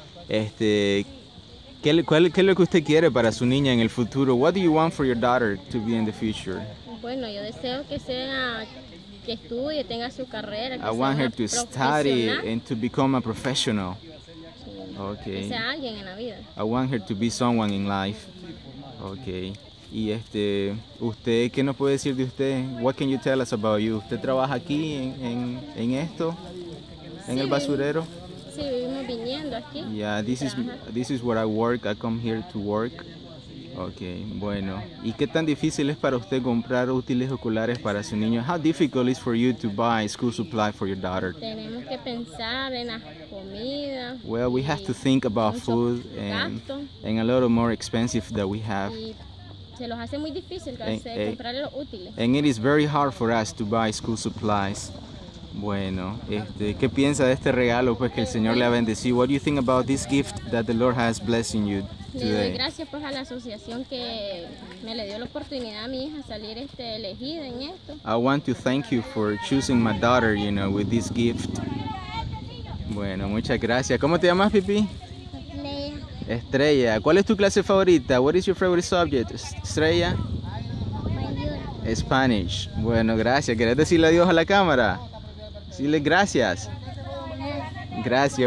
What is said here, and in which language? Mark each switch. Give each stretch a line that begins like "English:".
Spanish: ¿Qué es lo que usted quiere para su niña en el futuro?
English: What do you want for your daughter to be in the future?
Spanish: Bueno, yo deseo que sea, que estudie, tenga su carrera, que
English: I want her to study and to become a professional. Okay.
Spanish: Que sea alguien en la vida.
English: I want her to be someone in life. Okay.
Spanish: Y usted, ¿qué nos puede decir de usted?
English: What can you tell us about you?
Spanish: ¿Usted trabaja aquí en esto? ¿En sí, el basurero? Sí, vivimos viniendo aquí.
English: Yeah, this is where I work. I come here to work. Okay,
Spanish: bueno. ¿Y qué tan difícil es para usted comprar útiles escolares para su niño?
English: How difficult is for you to buy school supply for your daughter?
Spanish: Tenemos que pensar en la comida.
English: Well, we have to think about food and a lot of more expensive that we have.
Spanish: Se los hace muy difícil comprar los útiles.
English: And it is very hard for us to buy school supplies.
Spanish: Bueno, ¿qué piensa de este regalo pues que el Señor le ha bendecido?
English: What do you think about this gift that the Lord has blessing you today?
Spanish: Le doy gracias pues a la asociación que me le dio la oportunidad a mi hija salir elegida en esto.
English: I want to thank you for choosing my daughter, you know, with this gift.
Spanish: Bueno, muchas gracias. ¿Cómo te llamas, Pipi? Estrella. Estrella. ¿Cuál es tu clase favorita?
English: What is your favorite subject, Estrella?
Spanish: Mayor.
English: Spanish.
Spanish: Bueno, gracias. ¿Quieres decirle adiós a la cámara? Dile gracias. Gracias.